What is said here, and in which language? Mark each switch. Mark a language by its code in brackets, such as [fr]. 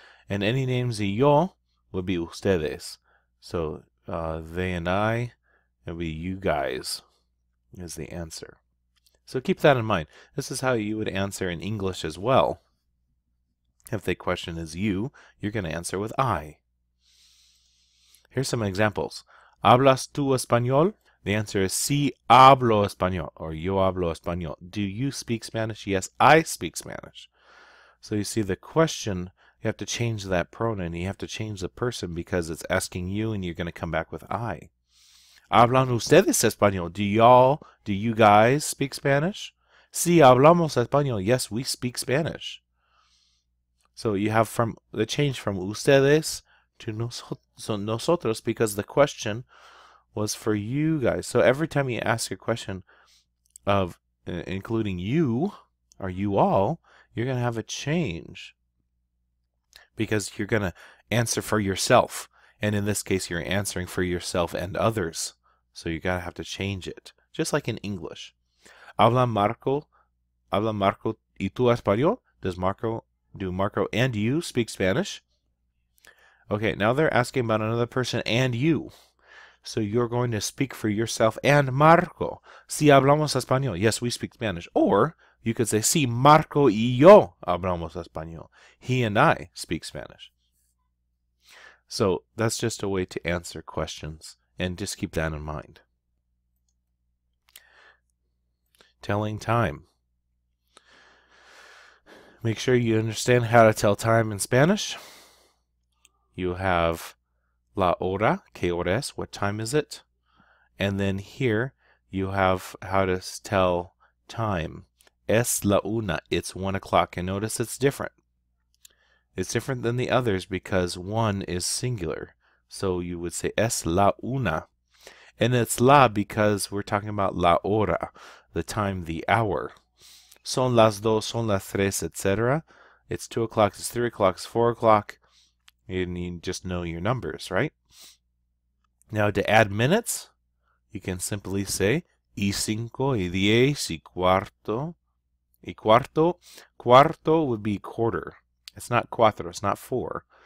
[en] And any names of yo would be ustedes. So they and I. It'll be you guys is the answer. So keep that in mind. This is how you would answer in English as well. If the question is you, you're going to answer with I. Here's some examples. [es] ¿Hablas tú español? [en] The answer is [es] sí hablo español, or yo hablo español. [en] Do you speak Spanish? Yes, I speak Spanish. So you see the question, you have to change that pronoun. You have to change the person because it's asking you and you're going to come back with I. [es] ¿Hablan ustedes español? [en] Do you guys speak Spanish? [es] Sí, hablamos español. [en] Yes, we speak Spanish. So you have from the change from ustedes to nosotros because the question was for you guys. So every time you ask a question of including you or you all, you're going to have a change because you're going to answer for yourself. And in this case, you're answering for yourself and others. So you gotta have to change it, just like in English. [es] ¿Habla Marco y tú español? [en] Do Marco and you speak Spanish? Okay, now they're asking about another person and you. So you're going to speak for yourself and Marco. [es] Sí, hablamos español. [en] Yes, we speak Spanish. Or you could say, [es] sí, Marco y yo hablamos español. [en] He and I speak Spanish. So that's just a way to answer questions. And just keep that in mind. Telling time. Make sure you understand how to tell time in Spanish. You have la hora, [es] que horas, [en] what time is it? And then here you have how to tell time. [es] Es la una, [en] it's 1 o'clock. And notice it's different. It's different than the others because one is singular. So you would say [es] es la una. [en] And it's la because we're talking about la hora, the time, the hour. [es] Son las dos, son las tres, etc. [en] It's 2 o'clock, it's 3 o'clock, it's 4 o'clock. And you just know your numbers, right? Now to add minutes, you can simply say [es] y cinco, y diez, y cuarto. Y cuarto, [en] cuarto would be quarter. It's not cuatro, it's not four.